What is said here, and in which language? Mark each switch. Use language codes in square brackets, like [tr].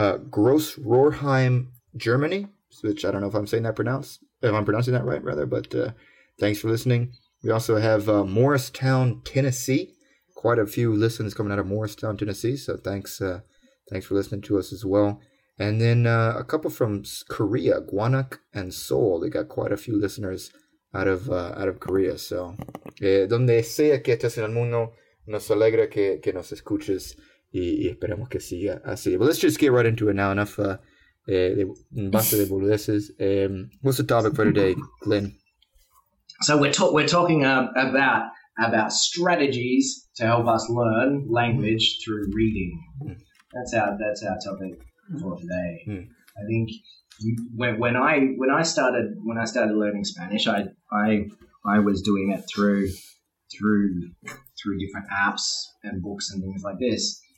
[en] Gross Rohrheim, Germany, which I don't know if I'm saying that pronounced, if I'm pronouncing that right, rather, but thanks for listening. We also have Morristown, Tennessee. Quite a few listens coming out of Morristown, Tennessee. So thanks for listening to us as well. And then a couple from Korea, Gwanak and Seoul. They got quite a few listeners out of Korea. [es] So, donde sea que estés en el mundo, nos alegra que nos escuches y esperemos que siga así. [en] But let's just get right into it now. [es] Enough basta de boludeces. [en] What's the topic for today, Glenn? So we're talking about strategies to help us learn language through reading. That's our topic for today. I think when I started learning Spanish, I was doing it through different apps and books and things like this.